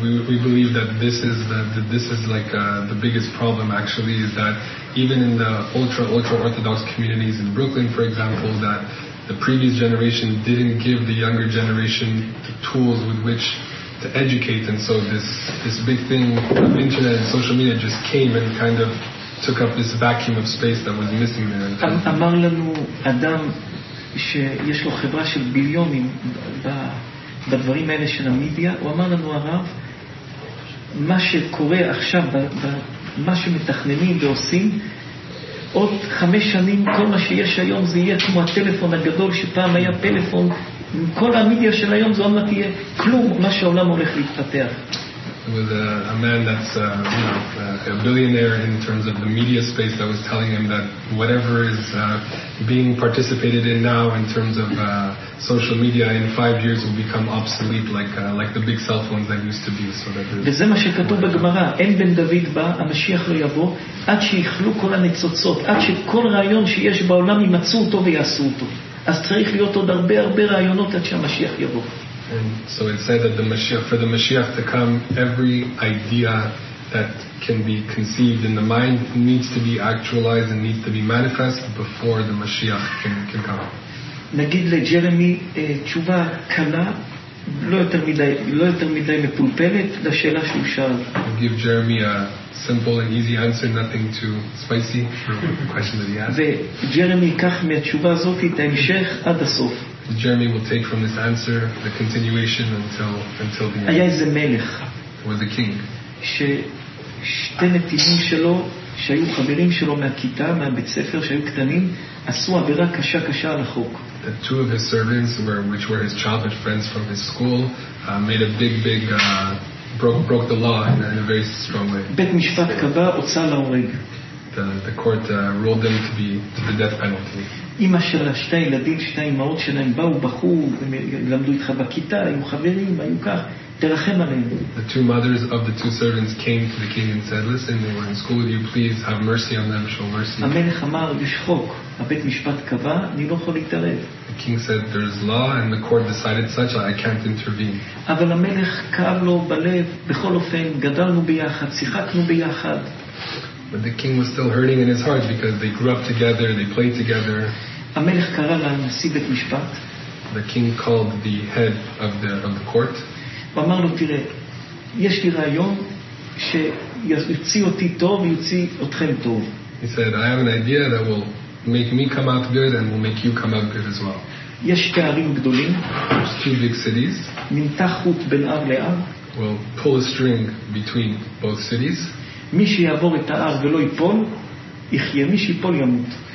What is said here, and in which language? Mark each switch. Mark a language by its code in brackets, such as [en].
[en] We believe that this is the biggest problem actually, is that even in the ultra orthodox communities in Brooklyn, for example, that the previous generation didn't give the younger generation the tools with which to educate, and so this big thing of internet and social media just came and kind of took up this vacuum of space that was missing there. [he] אמר לנו אדם שיש לו חברה של ביליונים בדברים האלה של המדיה, הוא אמר לנו, הרב, מה שקורה עכשיו מה שמתכננים ועושים, עוד 5 שנים כל מה שיש היום זה יהיה כמו הטלפון הגדול שפעם היה פלאפון. כל המדיה של היום זה עוד מעט יהיה כלום מה שהעולם הולך להתפתח. [en] With a man that's a billionaire in terms of the media space, that was telling him that whatever is being participated in now in terms of social media in 5 years will become obsolete, like the big cell phones that used to be. So that is. [he] וזה מה שכתוב בגמרא, אין בן דוד בא, המשיח לא יבוא, עד שיכלו כל הנצוצות, עד שכל רעיון שיש בעולם ימצאו אותו ויעשו אותו. אז צריך להיות עוד הרבה הרבה רעיונות עד שהמשיח יבוא. [en] And so it said that for the Mashiach to come, every idea that can be conceived in the mind needs to be actualized and needs to be manifest before the Mashiach can come. [he] נגיד לג'רמי תשובה קלה, לא יותר מדי מפולפלת לשאלה שהוא שאל. [en] Give Jeremy a simple and easy answer, nothing too spicy for the question that he asked. [he] וג'רמי ייקח מהתשובה הזאת את ההמשך עד הסוף. [en] Jeremy will take from this answer the continuation until the end. [he] היה איזה מלך. [en] Was a king. [he] שתי נתיבים שלו, שהיו חברים שלו מהכיתה, מהבית ספר, שהיו קטנים, עשו עבירה קשה קשה על החוק. [en] The two of his servants, which were his childhood friends from his school, made a big broke the law in a very strong way. [he] בית משפט קבע הוצאה להורג. [en] The court ruled them to the death penalty. [he] אמא של שתי הילדים, שתי אמהות שלהם באו, בכו, הם למדו איתך בכיתה, היו חברים, היו כך, תרחם עליהם. [en] The two mothers of the two servants came to the king and said, listen, they were in school with you, please have mercy on them, show mercy. [he] המלך אמר, יש חוק, הבית משפט קבע, אני לא יכול להתערב. [en] The king said, there's law and the court decided such, I can't intervene. [he] אבל המלך כאב לו בלב, בכל אופן, גדלנו ביחד, שיחקנו ביחד. [en] But the king was still hurting in his heart because they grew up together, they played together. [he] המלך קרא לנשיא בית משפט. [en] The king called the head of the court. [he] ואמר לו, תראה, יש לי רעיון שיוציא אותי טוב ויוציא אתכם טוב. [en] He said, I have an idea that will make me come out good and will make you come out good as well. [he] יש שתי ערים גדולים. [en] There's 2 big cities. [he] נמתח חוט בין אב לאב. [en] We'll pull a string between both cities. [he] מי שיעבור את האר ולא ייפול, יחיה, מי שיפול ימות.